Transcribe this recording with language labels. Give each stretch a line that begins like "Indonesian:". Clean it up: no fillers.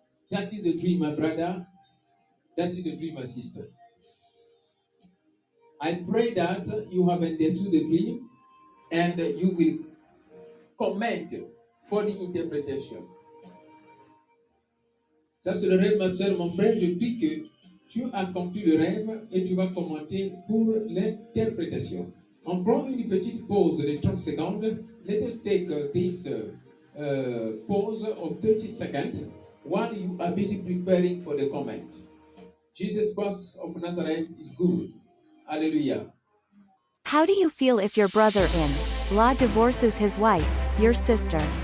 English: That is the dream, my brother. That is the dream, my sister. I pray that you have understood the dream and you will comment for the interpretation.
French: Ça, c'est le rêve, ma soeur, mon frère. Je prie que tu as compris le rêve et tu vas commenter pour l'interprétation. On prend une petite pause de 30 secondes.
English: Let us take this pause of 30 seconds while you are busy preparing for the comment. Jesus Christ of Nazareth is good. Alleluia. How do you feel if your brother-in-law divorces his wife? Your sister.